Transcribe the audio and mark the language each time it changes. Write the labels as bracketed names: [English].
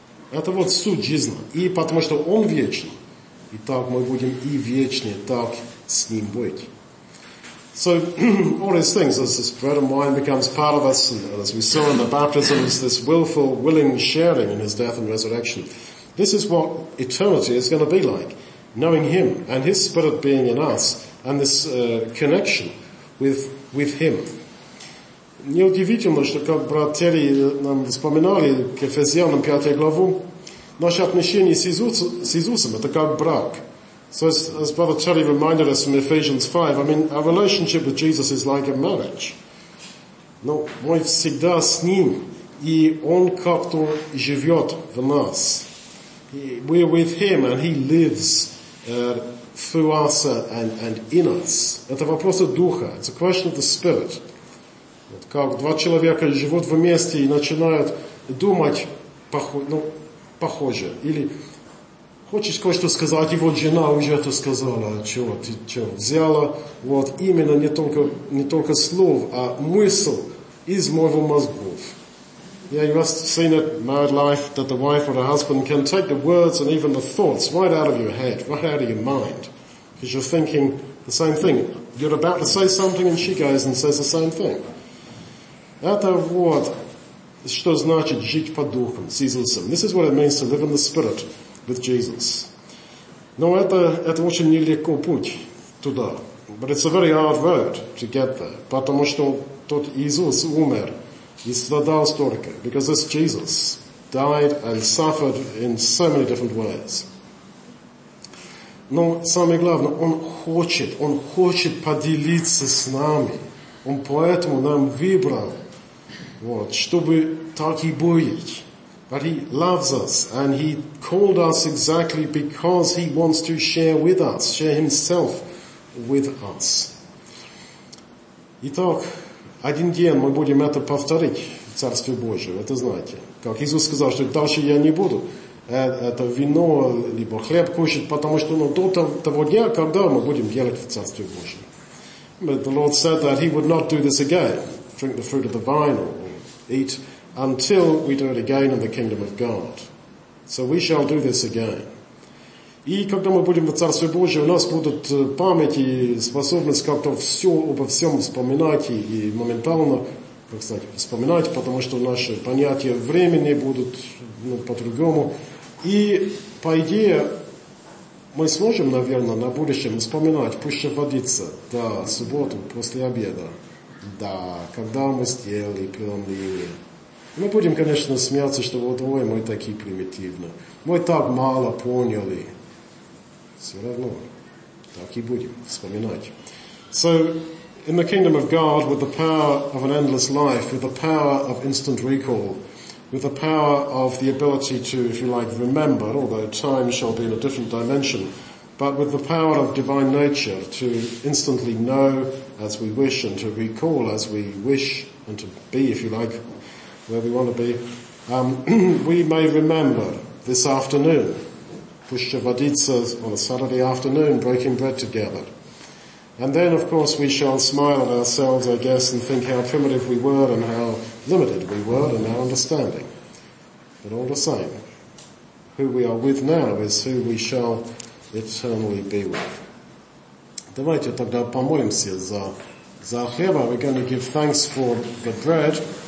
[Russian] Это вот суть жизни. И потому что Он вечен, и так мы будем и вечны, так с Ним быть. [English] So all these things, as this bread and wine becomes part of us, and as we saw in the baptism, is this willful, willing sharing in His death and resurrection. This is what eternity is going to be like, knowing Him and His Spirit being in us, and this connection with Him. [Russian] Неудивительно, что, как брат Терри нам вспоминали к Ефесянам 5 главу, наше отношение с Иисусом – это как брак. [English] So as Brother Terry reminded us from Ephesians 5, I mean, our relationship with Jesus is like a marriage. [Russian] Но мы всегда с Ним, и Он как-то живет в нас. [English] We're with Him, and He lives through us and in us. [Russian] Это вопрос Духа. [English] It's a question of the Spirit. [Russian] Вот как два человека живут вместе и начинают думать похоже, или... Хочешь кое-что сказать, и вот жена уже это сказала, чего ты что, взяла вот именно не только слов, а мысль из моего мозгов. [English] Yeah, you must have seen it, married life, that the wife or the husband can take the words and even the thoughts right out of your head, right out of your mind. Because you're thinking the same thing. You're about to say something and she goes and says the same thing. [Russian] Это вот что значит жить по духам, с Иисусом. [English] This is what it means to live in the Spirit. With Jesus. [Russian] Но это очень нелегко путь туда. [English] But it's a very hard road to get there. [Russian] Потому что тот Иисус умер и страдал столько. [English] Because this Jesus died and suffered in so many different ways. [Russian] Но самое главное, Он хочет поделиться с нами. Он поэтому нам выбрал, вот, чтобы так и быть. [English] But He loves us, and He called us exactly because He wants to share with us, share Himself with us. [Russian] Итак, один день мы будем это повторить в Царстве Божьем, это знаете. Как Иисус сказал, что дальше я не буду это вино, либо хлеб кушать, потому что ну, до того дня, когда мы будем делать в Царстве Божьем. [English] But the Lord said that he would not do this again, drink the fruit of the vine or eat, until we do it again in the kingdom of God. So we shall do this again. [Russian] И когда мы будем в Царстве Божьем, у нас будут память и способность как-то все, обо всем вспоминать и моментально, как сказать, вспоминать, потому что наши понятия времени будут ну, по-другому. И по идее, мы сможем, наверное, на будущем вспоминать, пуще водиться, да, в субботу после обеда, да, когда мы съели преломление. Мы будем, конечно, смеяться, что вот ой, мы такие примитивные, мы так мало поняли. Все равно, так и будем вспоминать. [English] So, in the kingdom of God, with the power of an endless life, with the power of instant recall, with the power of the ability to, if you like, remember, although time shall be in a different dimension, but with the power of divine nature to instantly know as we wish and to recall as we wish and to be, if you like, where we want to be, we may remember this afternoon, Pushcha Vaditsa on a Saturday afternoon, breaking bread together. And then, of course, we shall smile at ourselves, I guess, and think how primitive we were and how limited we were in our understanding. But all the same, who we are with now is who we shall eternally be with. [Russian] Давайте тогда помолимся за хлеба. [English] We're going to give thanks for the bread.